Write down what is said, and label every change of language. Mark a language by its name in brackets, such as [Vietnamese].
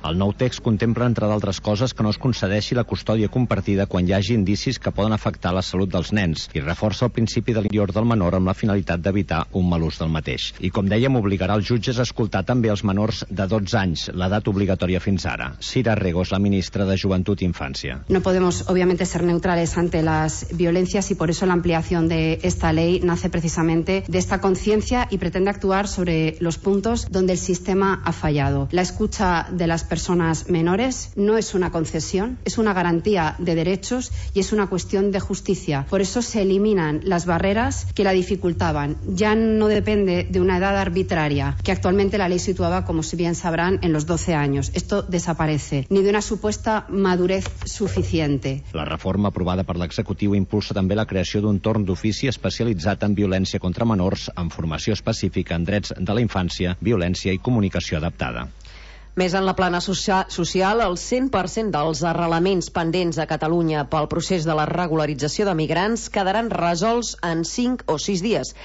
[Catalan] El nou text contempla, entre d'altres coses, que no es concedeixi la custòdia compartida quan hi hagi indicis que poden afectar la salut dels nens i reforça el principi de l'interior del menor amb la finalitat d'evitar un mal ús del mateix. I, com dèiem, obligarà els jutges a escoltar també els menors de 12 anys, l'edat obligatòria fins ara. Cira Regos, la ministra de Joventut i Infància. [Spanish] No podemos, obviamente, ser neutrales ante las violencias y por eso la ampliación de esta ley nace precisamente de esta conciencia y pretende actuar sobre los puntos donde el sistema ha fallado. La escucha de las personas menores no es una concesión, es una garantía de derechos y es una cuestión de justicia. Por eso se eliminan las barreras que la dificultaban. Ya no depende de una edad arbitraria que actualmente la ley situaba, como si bien sabrán, en los 12 años. Esto desaparece. Ni de una supuesta madurez suficiente. [Catalan] La reforma aprovada per l'executiu impulsa també la creació d'un torn d'ofici especialitzat en violència contra menors, amb formació específica en drets de la infància, violència i comunicació adaptada. Més en la plana social, el 100% dels arrelaments pendents a Catalunya pel procés de la regularització de migrants quedaran resolts en 5 o 6 dies.